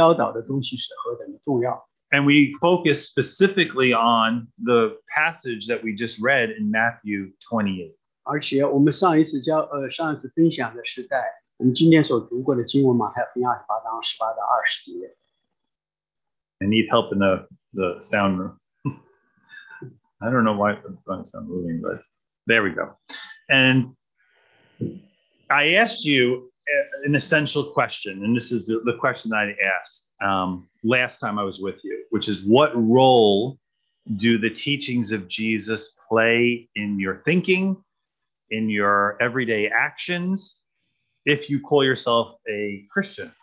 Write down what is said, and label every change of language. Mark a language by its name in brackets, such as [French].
[Chinese] 上一次我和大家分享的是，知道耶稣所教导的，要明白耶稣教导的东西是何等的重要。 [English] And we focus specifically on the passage that we just read in Matthew 28. [Chinese] 而且我们上一次分享的是在我们今天所读过的经文马太福音28章18到20节。 [English] I need help in the sound room. I don't know why it's not moving, but there we go. And I asked you an essential question, and this is the question that I asked last time I was with you, which is, what role do the teachings of Jesus play in your thinking, in your everyday actions, if you call yourself a Christian?